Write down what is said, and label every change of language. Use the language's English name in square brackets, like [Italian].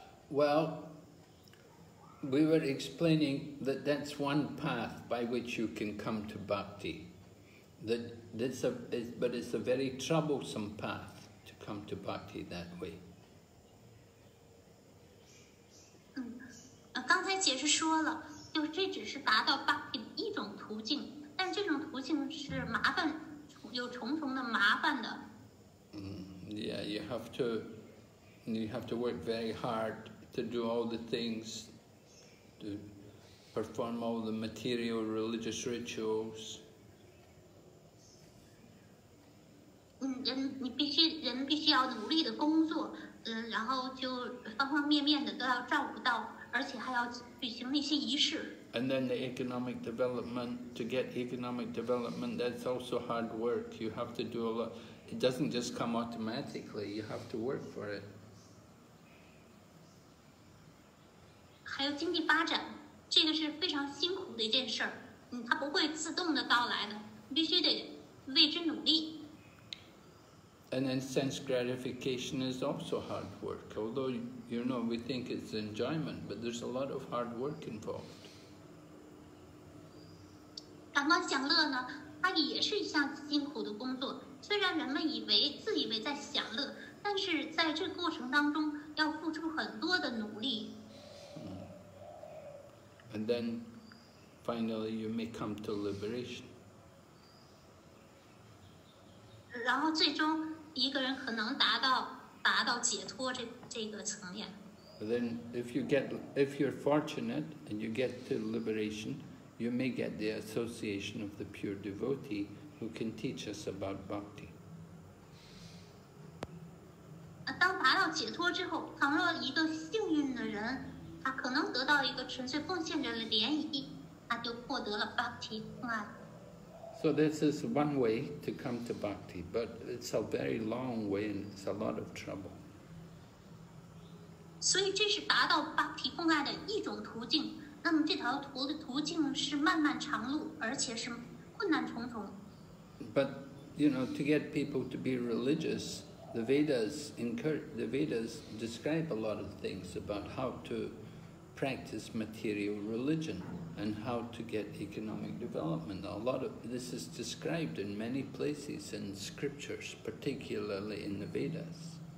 [English] Well, we were explaining that that's one path by which you can come to bhakti. But it's a very troublesome path to come to bhakti that way. [Chinese] 刚才解释说了，就这只是达到 bhakti 的一种途径，但这种途径是麻烦，有重重的麻烦的。 [English] Yeah, you have to work very hard to do all the things, to perform all the material religious rituals. [Chinese] 人必须要努力的工作，然后就方方面面的都要照顾到，而且还要举行那些仪式。 [English] And then the economic development, to get economic development, that's also hard work. You have to do a lot. It doesn't just come automatically. You have to work for it. [Chinese] 还有经济发展，这个是非常辛苦的一件事儿。它不会自动的到来的，必须得为之努力。 [English] And then sense gratification is also hard work. Although, you know, we think it's enjoyment, but there's a lot of hard work involved. [Chinese] 感官享乐呢，它也是一项辛苦的工作。虽然人们自以为在享乐，但是在这过程当中要付出很多的努力。 [English] And then finally you may come to liberation. [Chinese] 然后最终一个人可能达到解脱这个层面。 [English] Then if you're fortunate and you get to liberation, you may get the association of the pure devotee who can teach us about bhakti. [Chinese] 当达到解脱之后，倘若一个幸运的人，他可能得到一个纯粹奉献者的联谊，他就获得了 bhakti 奉爱。 [English] So this is one way to come to bhakti, but it's a very long way and it's a lot of trouble. [Chinese] 所以这是达到 bhakti 奉爱的一种途径。那么这条途径是漫漫长路，而且是困难重重。 [English] But you know, to get people to be religious, the Vedas describe a lot of things about how to practice material religion and how to get economic development. A lot of this is described in many places in scriptures, particularly in the Vedas.